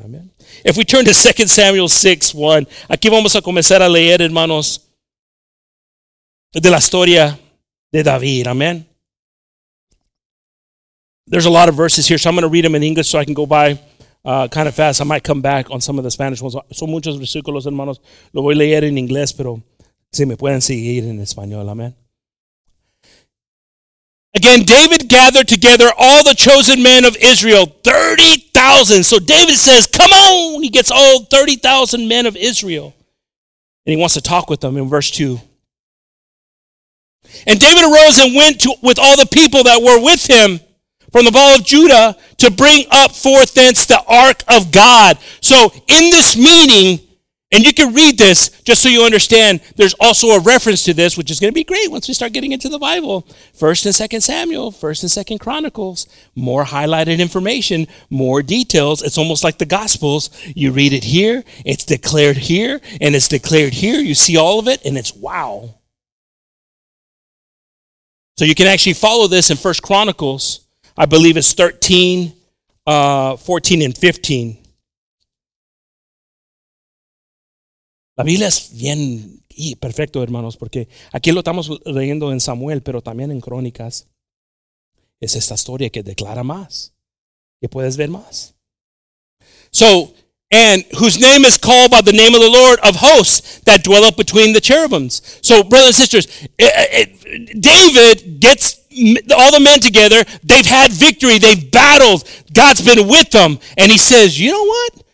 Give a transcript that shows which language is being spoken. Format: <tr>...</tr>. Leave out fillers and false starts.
<en>Amen. If we turn to 2 Samuel 6, 1,</en> <es>aquí vamos a comenzar a leer, hermanos, de la historia de David. Amen.</es> <en>There's a lot of verses here, so I'm going to read them in English so I can go by kind of fast. I might come back on some of the Spanish ones.</en> <es>Son muchos versículos, hermanos. Lo voy a leer en inglés, pero si me pueden seguir en español.</es> <en>Amen. Again, David gathered together all the chosen men of Israel, 30,000. So David says, come on. He gets all 30,000 men of Israel. And he wants to talk with them in verse 2. And David arose and went with all the people that were with him from the ball of Judah to bring up forth thence the ark of God. So in this meeting, and you can read this just so you understand, there's also a reference to this, which is going to be great once we start getting into the Bible. 1 and 2 Samuel, 1 and 2 Chronicles, more highlighted information, more details. It's almost like the Gospels. You read it here, it's declared here, and it's declared here. You see all of it, and it's wow. So you can actually follow this in 1 Chronicles, I believe it's 13, 14, and 15.</en> <es>La Biblia es bien y perfecto, hermanos, porque aquí lo estamos leyendo en Samuel, pero también en Crónicas. Es esta historia que declara más, que puedes ver más.</es> <en>So, and whose name is called by the name of the Lord of hosts that dwell up between the cherubims. So, brothers and sisters, David gets all the men together. They've had victory. They've battled. God's been with them. And he says, you know what?</en>